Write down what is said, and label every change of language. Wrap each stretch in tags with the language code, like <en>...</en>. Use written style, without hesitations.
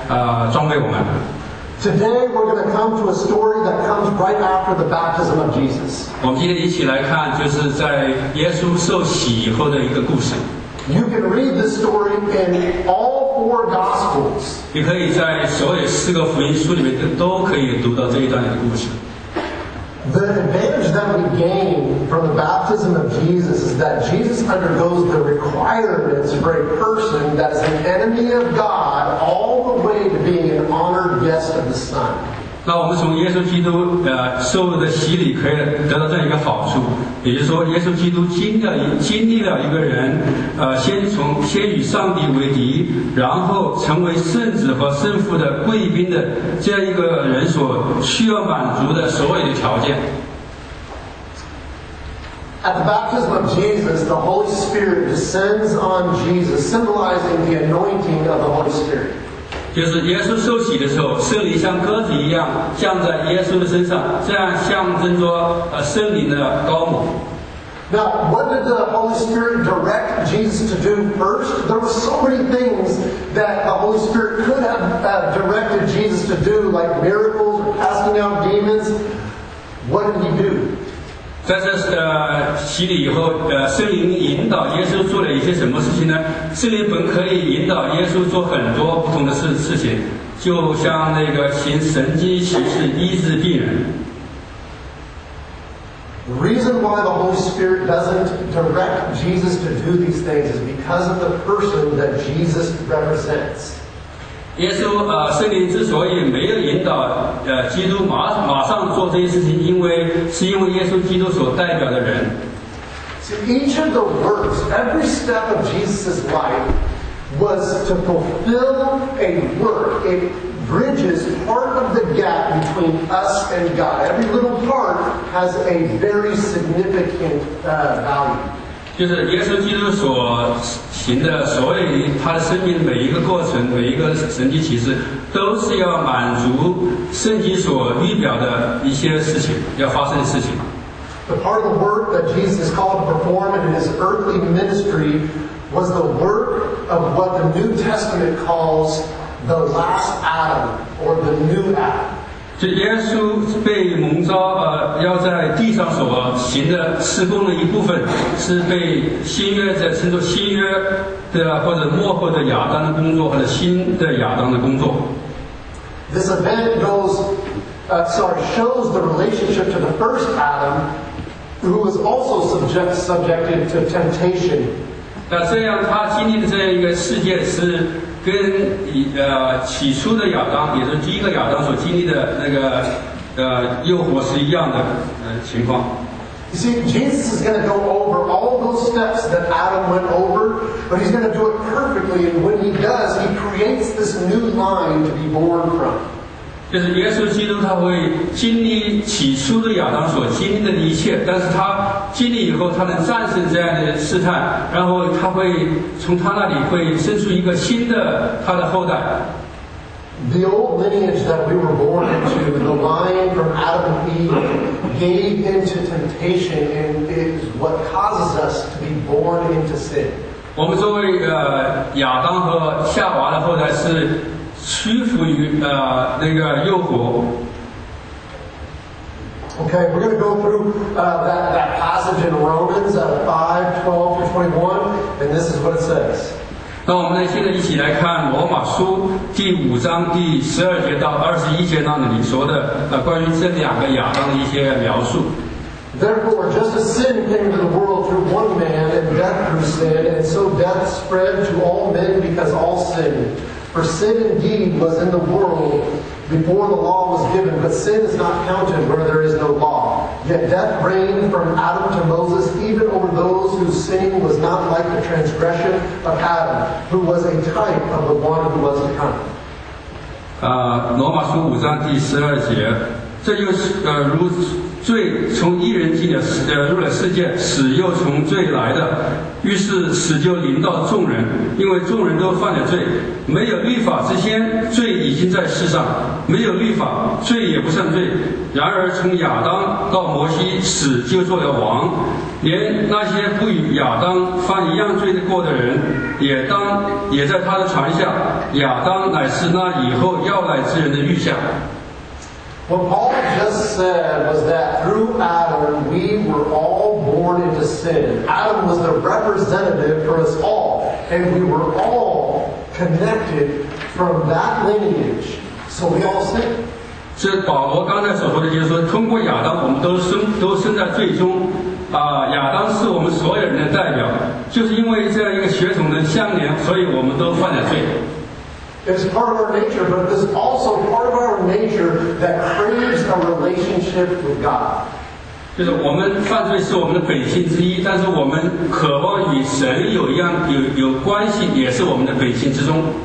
<en>Today we're going to come to a story that comes right after the baptism of Jesus.</en> <zh>我们今天一起来看，就是在耶稣受洗以后的一个故事。</zh> <en>You can read this story in all four Gospels.</en> <zh>你可以在所有四个福音书里面都可以读到这一段的故事。</zh> <en>The advantage that we gain from the baptism of Jesus is that Jesus undergoes the requirements for a person that is an enemy of God all the way to being an honored guest of the Son.</en> <zh>那我们从耶稣基督受的洗礼可以得到这样一个好处，也就是说，耶稣基督经历了一个人先与上帝为敌，然后成为圣子和圣父的贵宾的这样一个人所需要满足的所有的条件。</zh> <en>At the baptism of Jesus, the Holy Spirit descends on Jesus, symbolizing the anointing of the Holy Spirit.</en> <zh>就是耶稣受洗的时候，圣灵像鸽子一样降在耶稣的身上，这样象征着圣灵的高抹。</zh> <en>Now, what did the Holy Spirit direct Jesus to do first? There were so many things that the Holy Spirit could have directed Jesus to do, like miracles or casting out demons. What did he do?</en> <zh>在这洗礼以后，圣灵引导耶稣做了一些什么事情呢？圣灵本可以引导耶稣做很多不同的事情，就像那个行神迹奇事医治病人。</zh> <en>The reason why the Holy Spirit doesn't direct Jesus to do these things is because of the person that Jesus represents.</en> <zh>耶稣圣灵之所以没有引导基督马上做这些事情，是因为耶稣基督所代表的人。</zh> <en>So each of the works, every step of Jesus' life was to fulfill a work. It bridges part of the gap between us and God. Every little part has a very significant value.</en> <zh>就是耶稣基督所行的所有他的生命每一个过程每一个神迹奇事都是要满足圣经所预表的一些事情要发生的事情</zh> <en>The part of the work that Jesus called to perform in his earthly ministry was the work of what the New Testament calls the last Adam or the new Adam</en> <zh>就耶稣被蒙召要在地上所行的施工的一部分是被新约者称作新约的或者末后的亚当的工作或者新的亚当的工作</zh> <en>This event shows the relationship to the first Adam who was also subjected to temptation</en> <zh>那这样他经历的这样一个事件是跟起初的亚当，也是第一个亚当所经历的那个诱惑是一样的情况。</zh> <en>You see, Jesus is going to go over all those steps that Adam went over, but he's going to do it perfectly. perfectly, and when he does, he creates this new line to be born from.</en> <zh>就是耶稣基督他会经历起初的亚当所经历的一切，但是他经历以后，他能战胜这样的试探，然后他会从他那里会生出一个新的他的后代。</zh> <en>The old lineage that we were born into, the line from Adam and Eve, gave into temptation and is what causes us to be born into sin.</en> <zh>我们作为亚当和夏娃的后代是屈服于那个诱惑。</zh> <en>Okay, we're going to go through that passage in Romans 5:12-21, and this is what it says.</en> <zh>那我们呢现在一起来看罗马书第五章第十二节到二十一节那里说的关于这两个亚当的一些描述。</zh> <en>Therefore, just as sin came into the world through one man, and death through sin, and so death spread to all men because all sinned. For sin indeed was in the world before the law was given, but sin is not counted where there is no law. Yet death reigned from Adam to Moses, even over those whose sin was not like the transgression of Adam, who was a type of the one who was to come.</en> <zh>罗马书五章第十二节，这就是如罪从一人进入了世界，死又从罪来的，于是死就临到众人，因为众人都犯了罪。没有律法之先，罪已经在世上；没有律法，罪也不算罪。然而从亚当到摩西，死就做了王，连那些不与亚当犯一样罪过的人，也在他的传下。亚当乃是那以后要来之人的预像。</zh> <en>What Paul just said was that through Adam, we were all born into sin. Adam was the representative for us all, and we were all connected from that lineage. So we all sinned.</en> <zh>这保罗刚才所说的就是说，通过亚当，我们都生在罪中。亚当是我们所有人的代表，就是因为这样一个血统的相连，所以我们都犯了罪。</zh> <en>It's part of our nature, but it's also part of our nature that craves a relationship with God.</en> <zh>就是我们犯罪是我们的本性之一，但是我们渴望与神有关系，也是我们的本性之中。</zh>